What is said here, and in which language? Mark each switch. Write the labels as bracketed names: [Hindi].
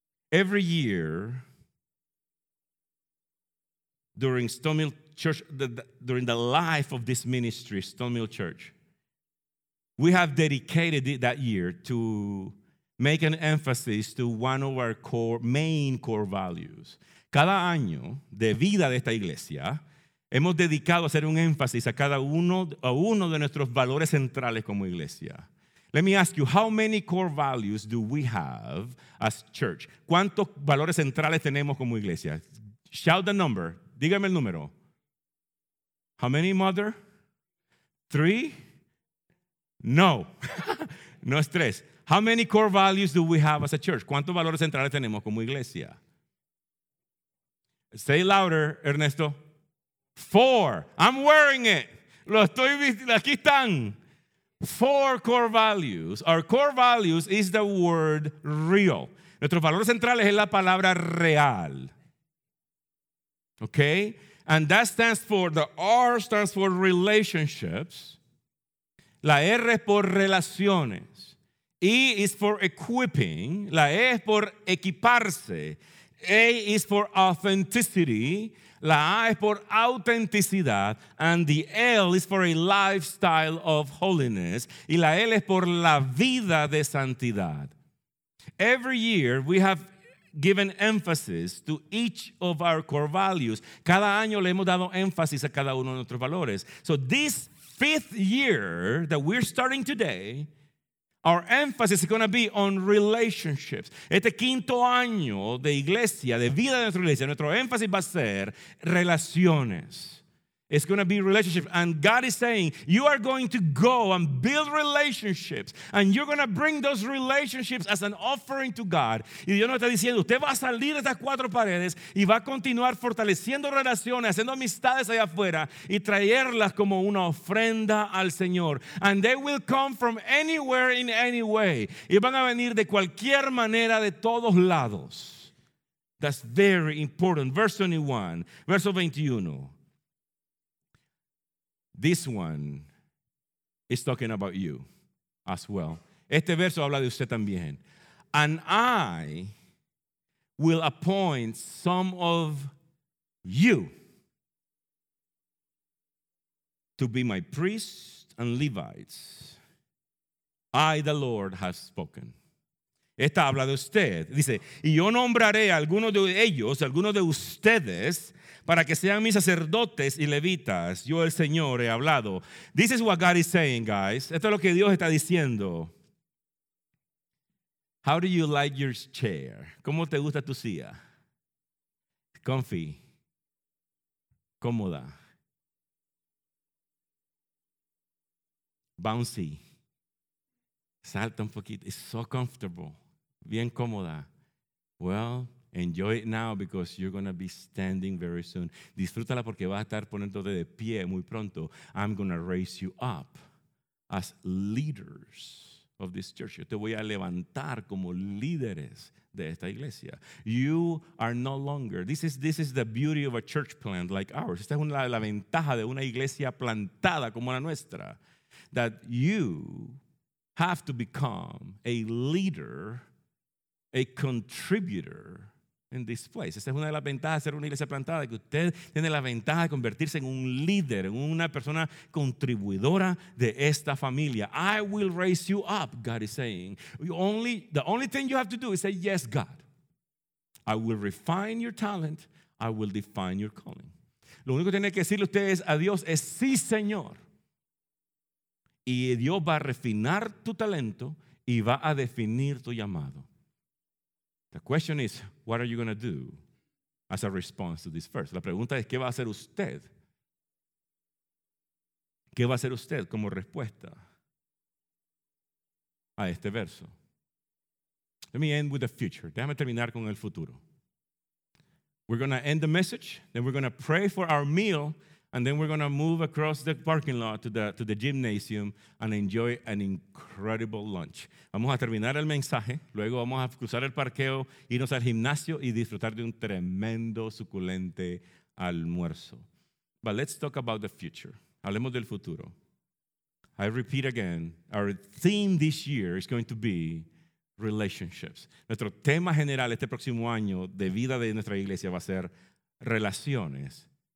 [English] Every year, during Stone Mill Church, during the life of this ministry, Stone Mill Church, we have dedicated it that year to make an emphasis to one of our main core values. [Spanish] Cada año de vida de esta iglesia, hemos dedicado a hacer un énfasis a cada uno, a uno de nuestros valores centrales como iglesia. [English] Let me ask you, how many core values do we have as church? [Spanish] ¿Cuántos valores centrales tenemos como iglesia? [English] Shout the number. [Spanish] Dígame el número. [English] How many, mother? 3? [Spanish] No, no es 3. [English] How many core values do we have as a church? [Spanish] ¿Cuántos valores centrales tenemos como iglesia? [English] Say louder, Ernesto. 4. I'm wearing it. [Spanish] Lo estoy vistiendo. Aquí están. [English] 4 core values. Our core values is the word real. [Spanish] Nuestro valor central es la palabra real. [English] Okay? And that stands for, the R stands for relationships. [Spanish] La R es por relaciones. [English] E is for equipping. [Spanish] La E es por equiparse. [English] A is for authenticity. [Spanish] La A es por autenticidad. [English] And the L is for a lifestyle of holiness. [Spanish] Y la L es por la vida de santidad. [English] Every year we have given emphasis to each of our core values. [Spanish] Cada año le hemos dado énfasis a cada uno de nuestros valores. [English] So this 5th year that we're starting today, our emphasis is going to be on relationships. [Spanish] Este quinto año de iglesia, de vida de nuestra iglesia, nuestro énfasis va a ser relaciones. [English] It's going to be relationship. And God is saying, you are going to go and build relationships. And you're going to bring those relationships as an offering to God. [Spanish] Y Dios nos está diciendo, usted va a salir de esas cuatro paredes y va a continuar fortaleciendo relaciones, haciendo amistades allá afuera y traerlas como una ofrenda al Señor. [English] And they will come from anywhere in any way. [Spanish] Y van a venir de cualquier manera, de todos lados. [English] That's very important. Verse 21. [Spanish] Verso 21. [English] This one is talking about you as well. [Spanish] Este verso habla de usted también. [English] And I will appoint some of you to be my priests and Levites. I, the Lord, have spoken. [Spanish] Esta habla de usted. Dice, y yo nombraré a algunos de ellos, a algunos de ustedes, para que sean mis sacerdotes y levitas. Yo, el Señor, he hablado. [English] This is what God is saying, guys. [Spanish] Esto es lo que Dios está diciendo. [English] How do you like your chair? [Spanish] ¿Cómo te gusta tu silla? [English] Comfy. [Spanish] Cómoda. [English] Bouncy. [Spanish] Salta un poquito. [English] It's so comfortable. [Spanish] Bien cómoda. [English] Well, enjoy it now because you're going to be standing very soon. [Spanish] Disfrútala porque vas a estar poniéndote de pie muy pronto. [English] I'm going to raise you up as leaders of this church. [Spanish] Yo te voy a levantar como líderes de esta iglesia. [English] You are no longer. This is the beauty of a church plant like ours. [Spanish] Esta es una la ventaja de una iglesia plantada como la nuestra. [English] That you have to become a leader, a contributor in this place. [Spanish] Esa es una de las ventajas de ser una iglesia plantada, que usted tiene la ventaja de convertirse en un líder, en una persona contribuidora de esta familia. [English] I will raise you up, God is saying. The only thing you have to do is say, yes, God. I will refine your talent. I will define your calling. [Spanish] Lo único que tiene que decirle usted es a Dios es, sí, Señor. Y Dios va a refinar tu talento y va a definir tu llamado. [English] The question is, what are you going to do as a response to this verse? [Spanish] La pregunta es, ¿qué va a hacer usted? ¿Qué va a hacer usted como respuesta a este verso? [English] Let me end with the future. [Spanish] Déjame terminar con el futuro. [English] We're going to end the message, then we're going to pray for our meal, and then we're going to move across the parking lot to the gymnasium and enjoy an incredible lunch. [Spanish] Vamos a terminar el mensaje, luego vamos a cruzar el parqueo, irnos al gimnasio y disfrutar de un tremendo, suculente almuerzo. [English] But let's talk about the future. [Spanish] Hablemos del futuro. [English] I repeat again, our theme this year is going to be relationships. [Spanish] Nuestro tema general este próximo año de vida de nuestra iglesia va a ser relaciones.